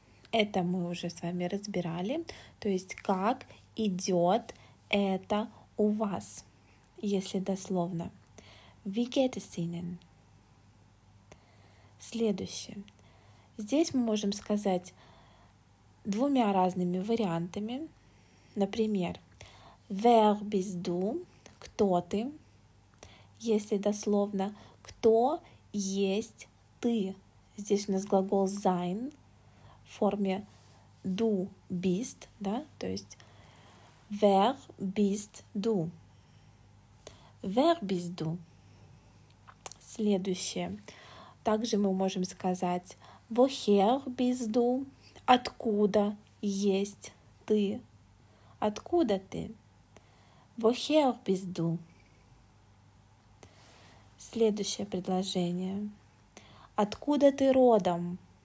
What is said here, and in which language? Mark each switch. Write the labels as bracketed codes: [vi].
[ru] Это мы уже с вами разбирали, то есть как идет это у вас, если дословно. [de] Wie geht es Ihnen? [ru] Следующее. Здесь мы можем сказать двумя разными вариантами. Например, [de] wer bist du? [ru] Кто ты? Если дословно, кто есть ты? Здесь у нас глагол sein в форме [de] du bist, [ru] да? То есть [de] wer bist du? Wer bist du? [ru] Следующее. Также мы можем сказать [de] «Woher bist du?» [ru] — «Откуда есть ты?» «Откуда ты?» [de] «Woher bist du?» [ru] Следующее предложение. «Откуда ты родом?»